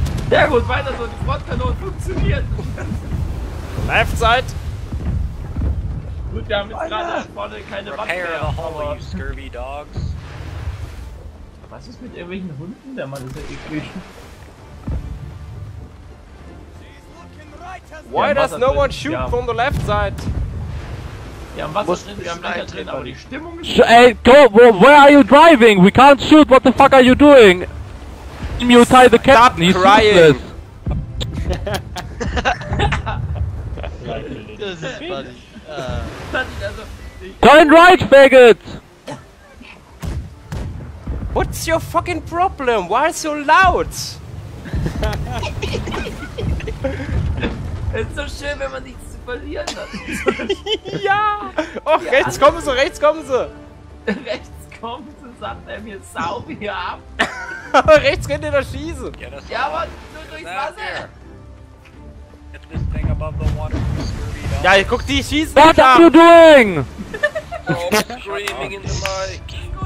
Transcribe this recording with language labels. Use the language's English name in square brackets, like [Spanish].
[German] Ja gut, weiter so, die Frontkanone funktioniert! [English] Left side! [German] Gut, wir haben jetzt gerade vorne keine Wand mehr. [English] Repair the hull, you scurvy dogs. [German] Was ist mit irgendwelchen Hunden? Der Mann ist ja eklig. [English] Why does no one shoot from the left side? [German] Wir haben Wasser drin, wir haben Löcher drin, aber die Stimmung ist... [English] Hey, go, where are you driving? We can't shoot, what the fuck are you doing? You tie the captain, he's useless. [German] Das ist funny. [English] Turn right, faggot! What's your fucking problem? Why so loud? [German] Es ist so schön, wenn man nichts zu verlieren hat. Ja! Och, ja. Rechts kommen sie, rechts kommen sie! Rechts kommen sie, sagt er mir, sau hier ab! Rechts könnt ihr da schießen! Ja, aber nur durchs Wasser! [English] Get this thing above the water, [German] ja, ich guck, die schießen! [English] What are you doing? No, I'm screaming in the mic!